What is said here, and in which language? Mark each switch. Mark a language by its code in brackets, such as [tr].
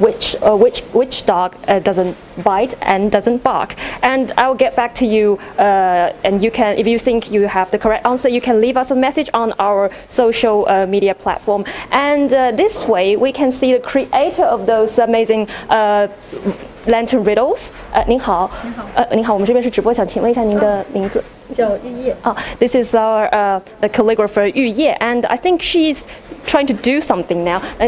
[en] Which dog doesn't bite and doesn't bark? And I'll get back to you, and you can, if you think you have the correct answer, you can leave us a message on our social media platform. And this way we can see the creator of those amazing lantern riddles. [zh] 您好，我们这边是直播，想请问一下您的名字。 [en] This is our the calligrapher Yu Ye, and I think she's trying to do something now.